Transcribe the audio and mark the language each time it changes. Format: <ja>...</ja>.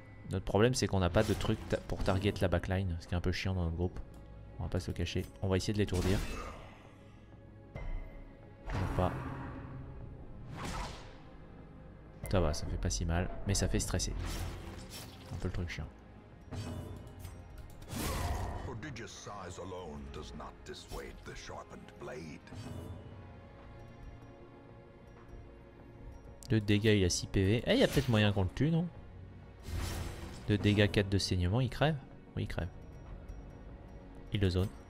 <fr>Notre problème, c'est qu'on n'a pas de truc pour target la backline. Ce qui est un peu chiant dans notre groupe. On va pas se le cacher. On va essayer de l'étourdir. Toujours pas. Ça va, ça fait pas si mal, mais ça fait stresser. Un peu le truc chiant.</fr> <en>Prodigious size alone does not dissuade the sharpened blade.</en> <fr>De dégâts, il a 6 PV. Eh, il y a peut-être moyen qu'on le tue, non? De dégâts, 4 de saignement, il crève? Oui, il crève. Il le zone.</fr>